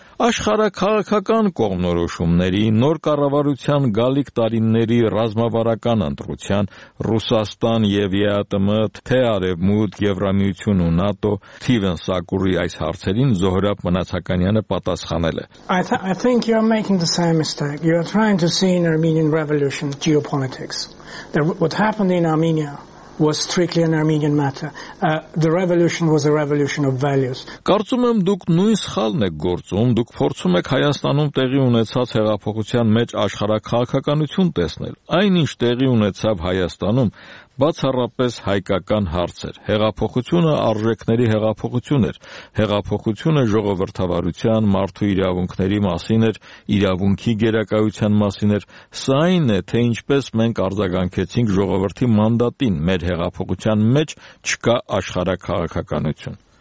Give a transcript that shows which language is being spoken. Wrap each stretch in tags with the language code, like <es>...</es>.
<hy>Աշխարհաքաղաքական կողմնորոշումների, նոր կառավարության գալիք տարիների ռազմավարական ընտրության, Ռուսաստան և ԵԱՏՄ, թե Արևմուտ, Եվրամիություն ու ՆԱՏՕ, Թիվեն Սակուրի այս հարցերին Զոհրաբ Մնացականյանը պատասխանել է.</hy> <en>I think you are making the same mistake. You are trying to see in Armenian revolution geopolitics. What happened in Armenia was strictly an Armenian matter. The revolution was a revolution of values.</en> <hy>Կարծում եմ, դուք նույն սխալն եք գործում, դուք փորձում եք Հայաստանում տեղի ունեցած հեղափոխության մեջ աշխարհաքաղաքականություն տեսնել։ Այնինչ տեղի ունեցավ Հայաստանում, բացառապես հայկական հարց էր։ Հեղափոխությունը արժեքների հեղափոխություն էր, հեղափոխությունը ժողովրդավարության, մարդու իրավունքների մասին էր, իրավունքի գերակայության մասին էր, սա այն է, թե ինչպես մենք արձագանքեցինք ժողովրդի մանդատին, մեր հեղափոխության մեջ չկա աշխարհաքաղաքականություն։</hy>